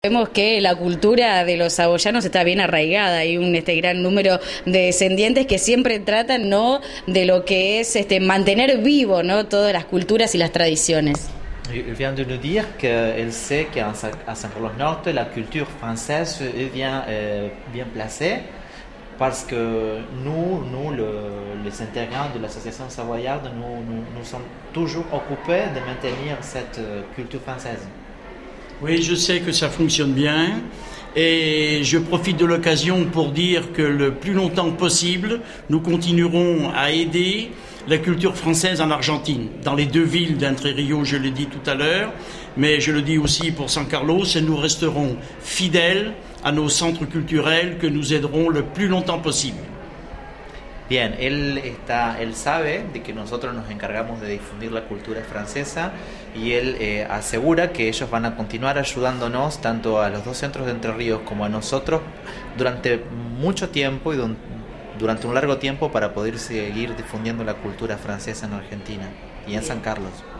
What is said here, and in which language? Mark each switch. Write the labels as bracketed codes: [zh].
[es] Vemos que la cultura de los saboyanos está bien arraigada, hay un gran número de descendientes que siempre tratan, ¿no?, de lo que es mantener vivo, ¿no?, todas las culturas y las tradiciones. [fr] Elle vient de nous dire qu'elle sait qu'à Saint-Carlos-Nord, la culture française est bien placée parce que les intégrants de l'association savoyarde, nous sommes toujours occupés de maintenir cette culture française. Oui, je sais que ça fonctionne bien et je profite de l'occasion pour dire que le plus longtemps possible, nous continuerons à aider la culture française en Argentine, dans les deux villes d'Entre Ríos, je l'ai dit tout à l'heure, mais je le dis aussi pour San Carlos, et nous resterons fidèles à nos centres culturels que nous aiderons le plus longtemps possible. [es] Bien, él sabe de que nosotros nos encargamos de difundir la cultura francesa y él asegura que ellos van a continuar ayudándonos tanto a los dos centros de Entre Ríos como a nosotros durante mucho tiempo y durante un largo tiempo para poder seguir difundiendo la cultura francesa en Argentina y en San Carlos.